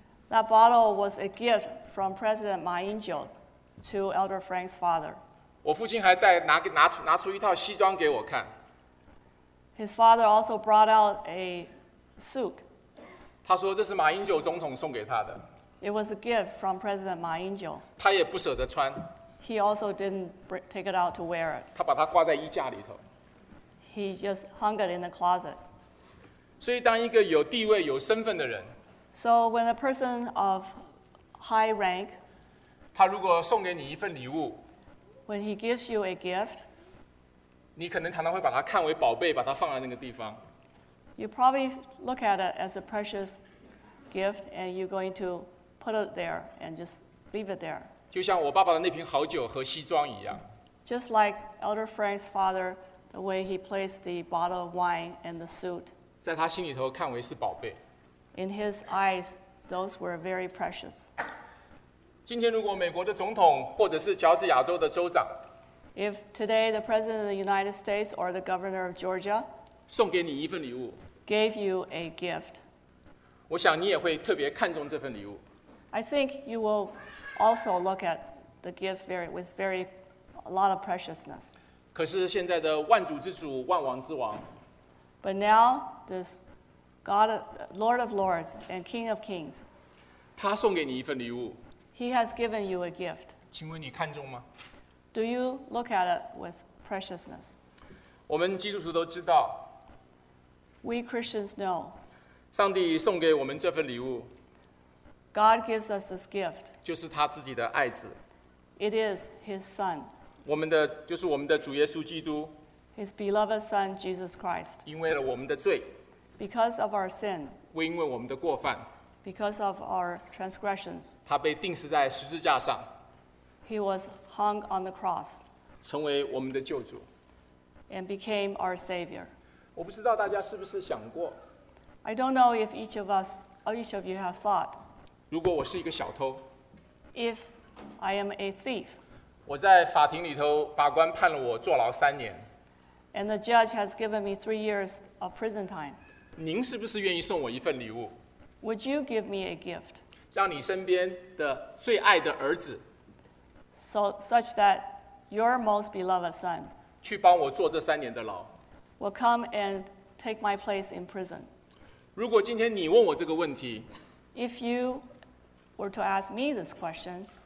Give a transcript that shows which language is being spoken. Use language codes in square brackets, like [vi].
[en] That bottle was a gift from President Ma Ying-jeou to Elder Frank's father. [zh] 我父亲还带拿出一套西装给我看。 [en] His father also brought out a suit. [zh] 他说这是马英九总统送给他的。 [en] It was a gift from President Ma Ying-jeou. [zh] 他也不舍得穿。 [en] He also didn't take it out to wear it. [zh] 他把它挂在衣架里头。 [en] He just hung it in the closet. [zh] 所以当一个有地位有身份的人 [en] So when a person of high rank, [zh] 他如果送给你一份礼物 [en] When he gives you a gift, [zh] 你可能常常会把它看为宝贝把它放在那个地方。 [en] You probably look at it as a precious gift, and you're going to put it there and just leave it there. [zh] 就像我爸爸的那瓶好酒和西装一样。 [en] Just like Elder Frank's father, the way he placed the bottle of wine and the suit. [zh] 在他心里头看为是宝贝。 [en] In his eyes, those were very precious. [zh] 今天如果美国的总统或者是乔治亚州的州长 [en] ，If today the president of the United States or the governor of Georgia. [zh] 送给你一份礼物 [en] gave you a gift. [zh] 我想你也会特别看重这份礼物。 [en] I think you will also look at the gift a lot of preciousness. [zh] 可是现在的万主之主，万王之王 [en] But now, this God, Lord of Lords and King of Kings, [zh] 他送给你一份礼物 [en] He has given you a gift. [zh] 请问你看重吗 [en] Do you look at it with preciousness? [zh] 我们基督徒都知道 [en] We Christians know. [zh] 上帝送给我们这份礼物 [en] God gives us this gift. [zh] 就是他自己的爱子 [en] It is His Son. [zh] 就是我们的主耶稣基督 [en] His beloved Son, Jesus Christ. [zh] 因为了我们的罪 [en] Because of our sin. [zh] 因为我们的过犯 [en] Because of our transgressions. [zh] 他被钉死在十字架上 [en] He was hung on the cross. [zh] 成为我们的救主 [en] And became our Savior. [zh] 我不知道大家是不是想过 [en] I don't know if each of us or each of you have thought [zh] 如果我是一个小偷 [en] If I am a thief [zh] 我在法庭里头法官判了我坐牢三年 [en] And the judge has given me 3 years of prison time [zh] 您是不是愿意送我一份礼物 [en] Would you give me a gift [zh] 让你身边的最爱的儿子 [en] So such that your most beloved son [zh] 去帮我坐这三年的牢 [en] Will come and take my place in prison. [zh] 如果今天你问我这个问题 [en] If you were to ask me this question,